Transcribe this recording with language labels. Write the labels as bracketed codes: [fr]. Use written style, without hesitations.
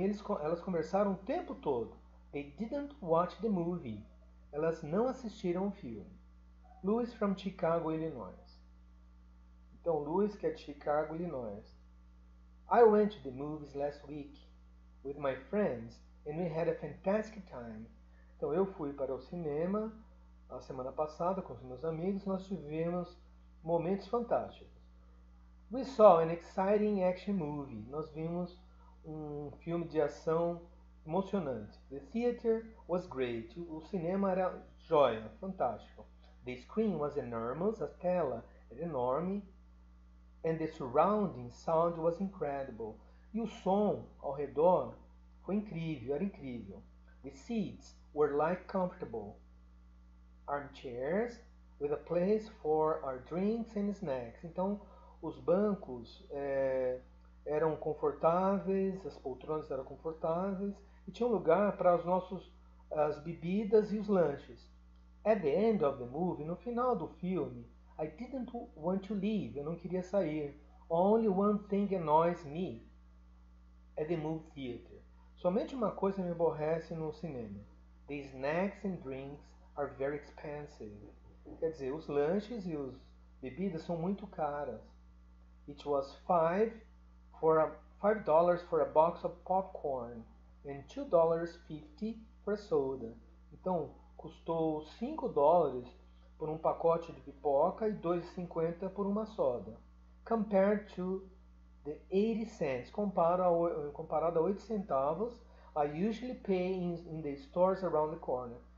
[pt] Elas conversaram o tempo todo. [en] They didn't watch the movie. [pt] Elas não assistiram o filme. Louis from Chicago, Illinois. Então, Louis, que é de Chicago, Illinois. [en] I went to the movies last week. with my friends and we had a fantastic time. [pt] Então, eu fui para o cinema a semana passada com os meus amigos e nós tivemos momentos fantásticos. [en] We saw an exciting action movie. [pt] Nós vimos um filme de ação emocionante. [en] The theater was great. [pt] O cinema era joia, fantástico. [en] The screen was enormous. [pt] A tela era enorme. [en] And the surrounding sound was incredible. [pt] E o som ao redor foi incrível, era incrível. [en] The seats were like comfortable armchairs with a place for our drinks and snacks. [pt] Então, os bancos eram confortáveis, as poltronas eram confortáveis e tinha um lugar para as bebidas e os lanches. [en] At the end of the movie, [pt] no final do filme, [en] I didn't want to leave. [pt] Eu não queria sair. [en] Only one thing annoys me at the movie theater. [pt] Somente uma coisa me aborrece no cinema. [en] The snacks and drinks are very expensive. [pt] Quer dizer, os lanches e as bebidas são muito caras. [en] It was $5 for a box of popcorn and $2.50 for a soda. [pt] Então, custou $5 por um pacote de pipoca e $2.50 por uma soda. [en] Compared to the 80 cents, [pt] comparado a 8 centavos, [en] I usually pay in the stores around the corner.